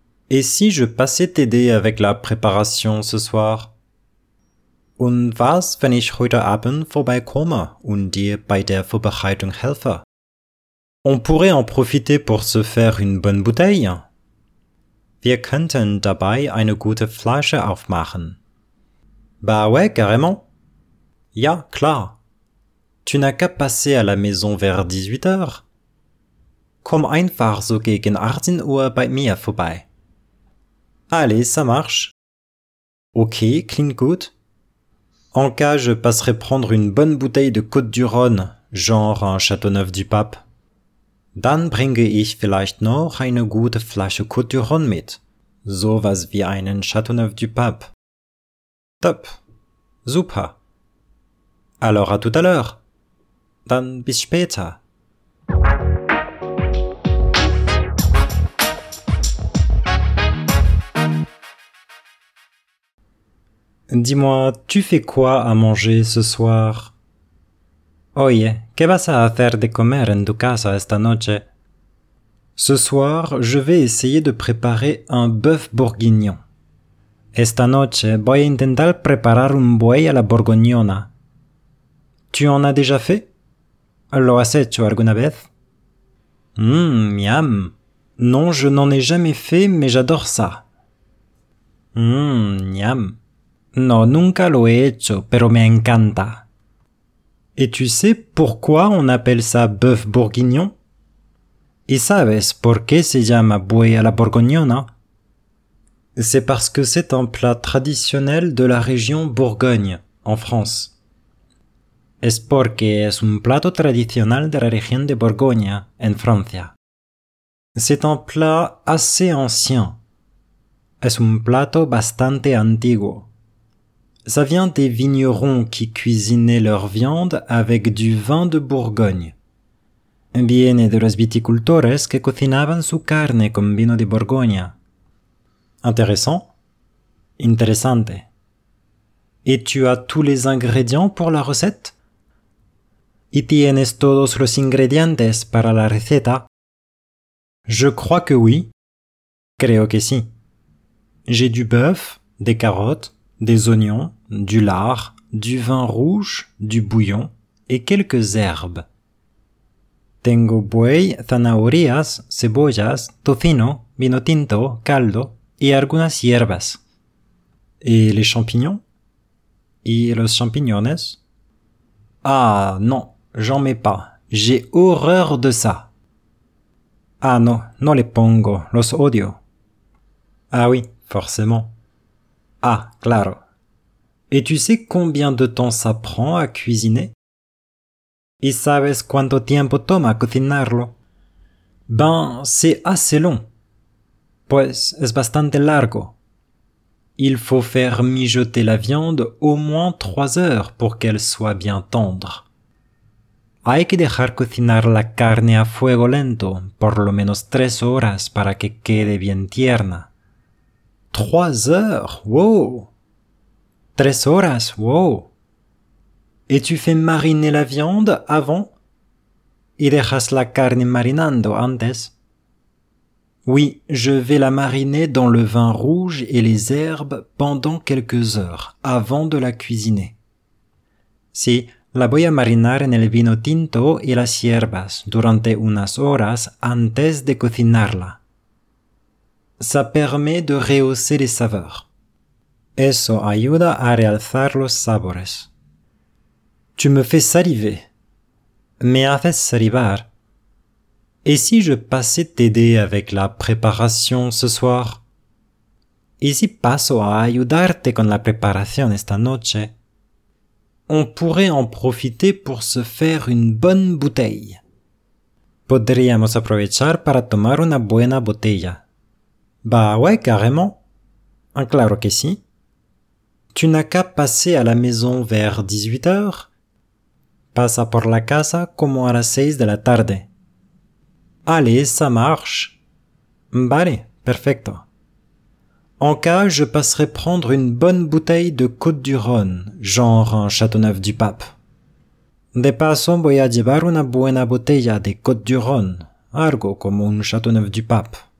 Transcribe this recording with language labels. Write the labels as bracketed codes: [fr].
[fr] Et si je passais t'aider avec la préparation ce soir? [de] Und was, wenn ich heute Abend vorbeikomme und dir bei der Vorbereitung helfe? [fr] On pourrait en profiter pour se faire une bonne bouteille. [de] Wir könnten dabei eine gute Flasche aufmachen. [fr] Bah ouais, carrément. [de] Ja, klar. [fr] Tu n'as qu'à passer à la maison vers 18h. [de] Komm einfach so gegen 18 Uhr bei mir vorbei. [fr] Allez, ça marche. [de] Ok, klingt gut. [fr] En cas, je passerai prendre une bonne bouteille de Côte-du-Rhône, genre un Châteauneuf du Pape. [de] Dann bringe ich vielleicht noch eine gute Flasche Côte-du-Rhône mit. Sowas wie einen Châteauneuf du Pape. Top. Super. [fr] Alors à tout à l'heure. [de] Dann bis später. [fr] Dis-moi, tu fais quoi à manger ce soir? [es] Oye, ¿qué vas a hacer de comer en tu casa esta noche? [fr] Ce soir, je vais essayer de préparer un bœuf bourguignon. [es] Esta noche voy a intentar preparar un buey a la borgoñona. [fr] Tu en as déjà fait? [es] ¿Lo has hecho alguna vez? [fr] Miam. Non, je n'en ai jamais fait, mais j'adore ça. Miam. [es] No, nunca lo he hecho, pero me encanta. [fr] Et tu sais pourquoi on appelle ça bœuf bourguignon? [es] ¿Y sabes por qué se llama buey a la borgoñona? [fr] C'est parce que c'est un plat traditionnel de la région Bourgogne, en France. [es] Es porque es un plato tradicional de la región de Borgoña, en Francia. [fr] C'est un plat assez ancien. [es] Es un plato bastante antiguo. [fr] Ça vient des vignerons qui cuisinaient leur viande avec du vin de Bourgogne. [es] Viene de los viticultores que cocinaban su carne con vino de Borgoña. [fr] Intéressant. [es] Interesante. [fr] Et tu as tous les ingrédients pour la recette? [es] ¿Y tienes todos los ingredientes para la receta? [fr] Je crois que oui. [es] Creo que sí. [fr] J'ai du bœuf, des carottes, des oignons, du lard, du vin rouge, du bouillon et quelques herbes. [es] Tengo buey, zanahorias, cebollas, tocino, vino tinto, caldo y algunas hierbas. [fr] Et les champignons? [es] ¿Y los champiñones? [fr] Ah, non, j'en mets pas. J'ai horreur de ça. [es] Ah no, no les pongo, los odio. [fr] Ah oui, forcément. [es] Ah, claro. [fr] Et tu sais combien de temps ça prend à cuisiner? [es] ¿Y sabes cuánto tiempo toma cocinarlo? [fr] Ben, c'est assez long. [es] Pues, es bastante largo. [fr] Il faut faire mijoter la viande au moins 3 heures pour qu'elle soit bien tendre. [es] Hay que dejar cocinar la carne a fuego lento por lo menos 3 horas para que quede bien tierna. [fr] 3 heures? Wow! [es] 3 horas, wow! [fr] Et tu fais mariner la viande avant? [es] ¿Y dejas la carne marinando antes? [fr] Oui, je vais la mariner dans le vin rouge et les herbes pendant quelques heures, avant de la cuisiner. [es] Sí, la voy a marinar en el vino tinto y las hierbas durante unas horas antes de cocinarla. [fr] Ça permet de rehausser les saveurs. [es] Eso ayuda a realzar los sabores. [fr] Tu me fais saliver. [es] Me haces salivar. [fr] Et si je passais t'aider avec la préparation ce soir? [es] ¿Y si paso a ayudarte con la preparación esta noche? [fr] On pourrait en profiter pour se faire une bonne bouteille. [es] Podríamos aprovechar para tomar una buena botella. [fr] Bah ouais, carrément. [es] Claro que sí. [fr] Tu n'as qu'à passer à la maison vers 18h. [es] Pasa por la casa como a las 6 de la tarde. [fr] Allez, ça marche. [es] Vale, perfecto. [fr] En cas, je passerai prendre une bonne bouteille de Côte-du-Rhône, genre un Châteauneuf du Pape. [es] De paso, voy a llevar una buena botella de Côte-du-Rhône, algo como un Châteauneuf du Pape.